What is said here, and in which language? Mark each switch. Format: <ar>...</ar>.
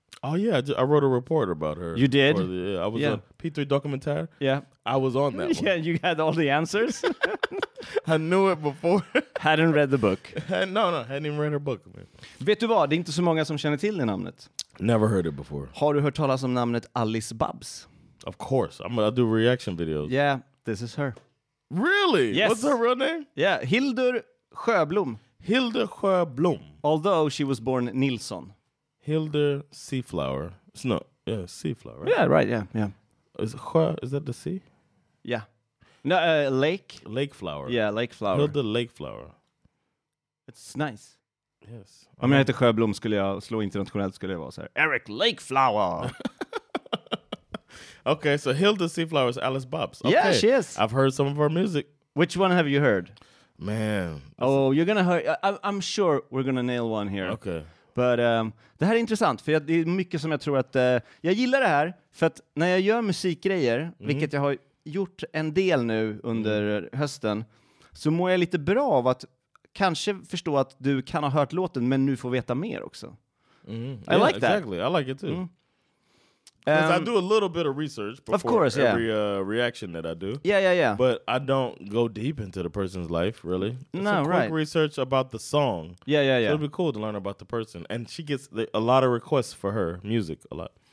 <en>Oh, yeah. I wrote a report about her. You did? I was on P3 Dokumentär. Yeah. I was on that one. Yeah, you had all the answers. I knew it before. Hadn't read the book. No, hadn't even read her book. Man.</en> <sv>Vet du vad? Det är inte så många som känner till det namnet.</sv> <en>Never heard it before.</en> <sv>Har du hört talas om namnet Alice Babs?</sv> <en>Of course. I do reaction videos. Yeah, this is her. Really? Yes. What's her real name? Yeah, Hildur Sjöblom. Hildur Sjöblom. Although she was born Nilsson. Hildur Seaflower. It's not. Yeah, Seaflower. Right? Yeah, right. Yeah. Is that the sea? Yeah. No, lake. Lake Flower. Yeah, Lake Flower. Hildur Lake Flower. It's nice. Yes.</en> <sv>Om jag heter Sjöblom skulle jag slå internationellt skulle jag vara så här.</sv> <en>Eric Lake Flower. Okay, so Hildur Seaflower is Alice Babs. Okay. Yeah, she is. I've heard some of her music. Which one have you heard? Man. Oh, you're going to hear. I'm sure we're going to nail one here. Okay.</en> <sv>But, det här är intressant, för det är mycket som jag tror att... jag gillar det här, för att när jag gör musikgrejer, vilket jag har gjort en del nu under hösten, så mår jag lite bra av att kanske förstå att du kan ha hört låten, men nu får veta mer också.</sv> <en>Mm. Yeah, I like that. Exactly, I like it too. Because I do a little bit of research before every reaction that I do. Yeah. But I don't go deep into the person's life, really. It's no, a quick right. research about the song. Yeah. So it'd be cool to learn about the person. And she gets a lot of requests for her music, a lot.</en>